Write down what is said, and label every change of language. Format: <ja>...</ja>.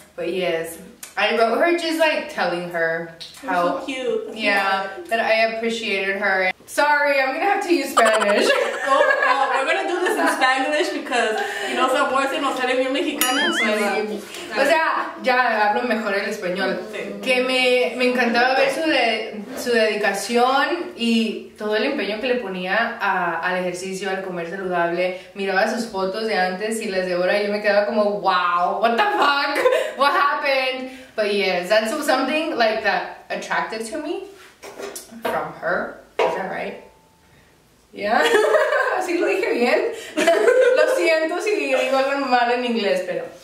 <en>But yes, I wrote her just like telling her how so cute. Yeah, that I appreciated her. Sorry, I'm gonna have to use Spanish. we're gonna do this in Spanglish because you know some words in Australia Mexicana.</en> <es>O sea, ya hablo mejor el español. Sí. Que me encantaba ver su dedicación y todo el empeño que le ponía al ejercicio, al comer saludable. Miraba sus fotos de antes y las de ahora y yo me quedaba como,</es> <en>wow, what the fuck? What happened? But yes, that's something like that attracted to me from her. Is that right? Yeah.</en> <es>Así lo dije bien. Lo siento si digo algo mal en inglés, pero...</es>